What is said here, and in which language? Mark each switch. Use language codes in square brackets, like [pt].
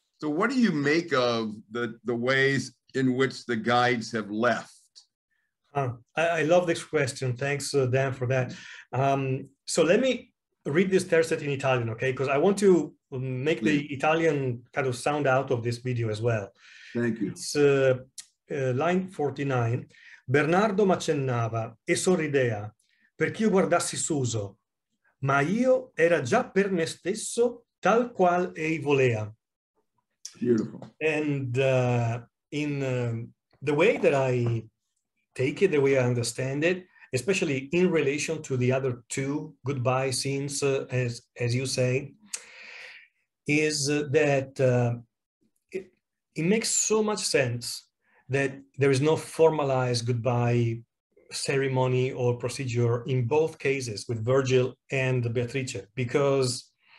[en] So what do you make of the ways in which the guides have left? I love this question. Thanks, Dan, for that. So let me read this terzet in Italian, okay? Because I want to make the Italian kind of sound out of this video as well. Thank you. It's line 49. [it] Bernardo m'accennava e sorridea perché io guardassi Suso, ma io era già per me stesso tal qual ei volea. [en] Beautiful. And in the way that I take it, the way I understand it, especially in relation to the other two goodbye scenes, as you say, is that it makes so much sense that there is no formalized goodbye ceremony or procedure in both cases with Virgil and Beatrice, because